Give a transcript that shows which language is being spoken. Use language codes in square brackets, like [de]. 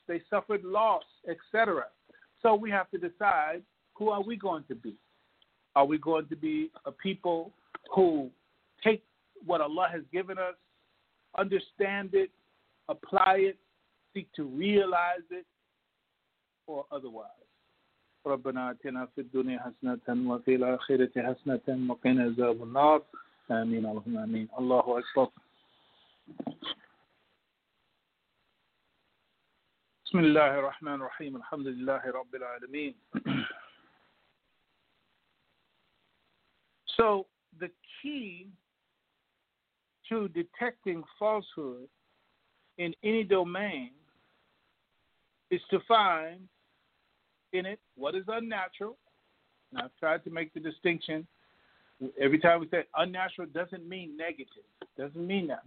[en] They suffered loss, etc. So we have to decide, who are we going to be? Are we going to be a people who take what Allah has given us, understand it, apply it, seek to realize it, or otherwise? [ar] ربنا آتنا في الدنيا حسنة وفي الآخرة حسنة وقنا عذاب النار آمين اللهم آمين الله أكبر بسم الله الرحمن الرحيم الحمد لله رب العالمين. [en] So the key to detecting falsehood in any domain is to find in it what is unnatural. And I've tried to make the distinction. Every time we say unnatural doesn't mean negative. Doesn't mean that.